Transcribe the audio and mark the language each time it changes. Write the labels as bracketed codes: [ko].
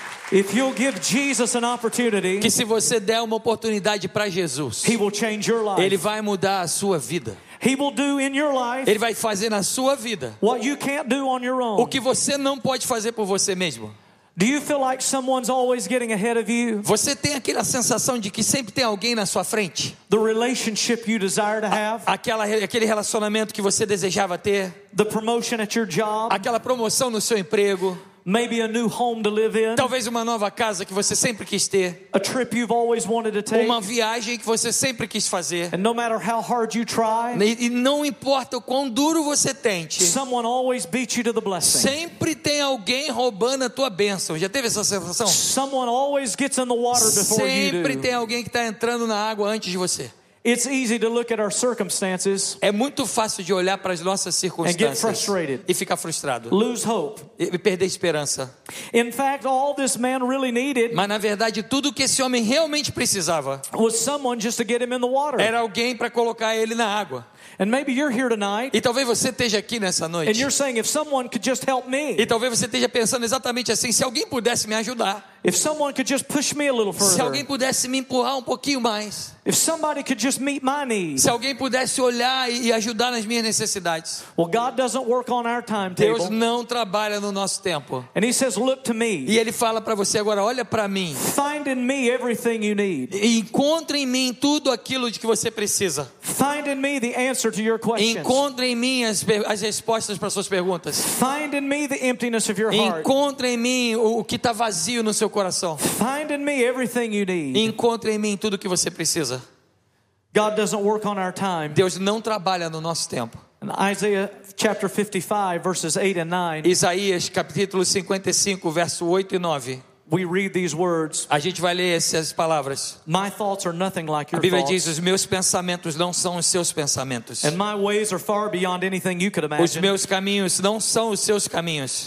[en] If you'll give Jesus an opportunity, [pt] que se você der uma oportunidade para Jesus, [en] he will change your life. [pt] Ele vai mudar a sua vida. [en] He will do in your life. [pt] Ele vai fazer na sua vida. [en] What you can't do on your own. [pt] O que você não pode fazer por você mesmo. [en] Do you feel like someone's always getting ahead of you? [pt] Você tem aquela sensação de que sempre tem alguém na sua frente? [en] The relationship you desire to have. [pt] Aquele relacionamento que você desejava ter? [en] The promotion at your job. [pt] Aquela promoção no seu emprego? [en] Maybe a new home to live in. [pt] Talvez uma nova casa que você sempre quis ter. [en] A trip you've always wanted to take. [pt] Uma viagem que você sempre quis fazer. [en] And no matter how hard you try. [pt] E não importa o quão duro você tente. [en] Someone always beats you to the blessing. [pt] Sempre tem alguém roubando a tua bênção. Já teve essa sensação? [en] Someone always gets in the water before you do. [pt] Sempre tem alguém que está entrando na água antes de você. [en] It's easy to look at our circumstances. [pt] É muito fácil de olhar para as nossas circunstâncias. [en] And get frustrated. [pt] E ficar frustrado. [en] Lose hope. [pt] E perder esperança. [en] In fact, all this man really needed. [pt] Mas na verdade, tudo que esse homem realmente precisava. [en] Was someone just to get him in the water. [pt] Era alguém para colocar ele na água. [en] And maybe you're here tonight. [pt] E talvez você esteja aqui nessa noite. [en] And you're saying, if someone could just help me. [pt] E talvez você esteja pensando exatamente assim, se alguém pudesse me ajudar. [en] If someone could just push me a little further. [pt] Se alguém pudesse me empurrar um pouquinho mais. [en] If somebody could just meet my needs. [pt] Se alguém pudesse olhar e ajudar nas minhas necessidades. [en] Well, God doesn't work on our time table. [pt] Deus não trabalha no nosso tempo. [en] And he says, look to me. [pt] E ele fala para você agora, olha para mim. [en] Find in me everything you need. [pt] Encontre em mim tudo aquilo de que você precisa. [en] Find in me the answer to your questions. [pt] Encontre em mim as respostas para suas perguntas. [en] Find in me the emptiness of your heart. [pt] Encontre em mim o que está vazio no seu coração. [en] Find in me everything you need. [pt] Encontre em mim tudo que você precisa. [en] God doesn't work on our time. [pt] Deus não trabalha no nosso tempo. [en] In Isaiah chapter 55 verses 8 and 9. [pt] Isaías capítulo 55 verso 8 e 9. [en] We read these words. [pt] A gente vai ler essas palavras. [en] My thoughts are nothing like your thoughts. [pt] A Bíblia diz: os meus pensamentos não são os seus pensamentos. [en] And my ways are far beyond anything you could imagine. [pt] Os meus caminhos não são os seus caminhos.